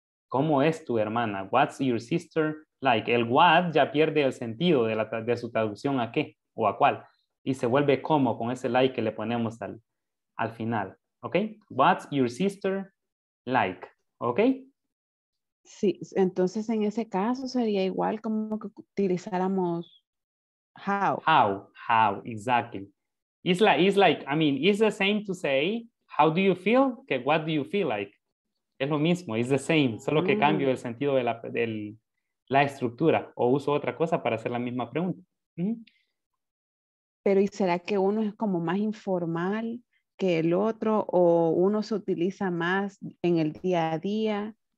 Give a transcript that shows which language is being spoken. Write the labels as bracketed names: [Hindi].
[Spanish] ¿Cómo es tu hermana? [English] What's your sister like? [Spanish] El what ya pierde el sentido de su traducción a qué o a cuál. Y se vuelve cómo con ese like que le ponemos al final. [English] ¿Ok? What's your sister like? ¿Ok? [Spanish] Sí, entonces en ese caso sería igual como que utilizáramos [English] How, exactly. It's the same to say, how do you feel? Okay, what do you feel like? [Spanish] Es lo mismo, [English] it's the same. [Spanish] Solo que cambio el sentido de la estructura o uso otra cosa para hacer la misma pregunta. Pero ¿y será que uno es como más informal que el otro o uno se utiliza más en el día a día?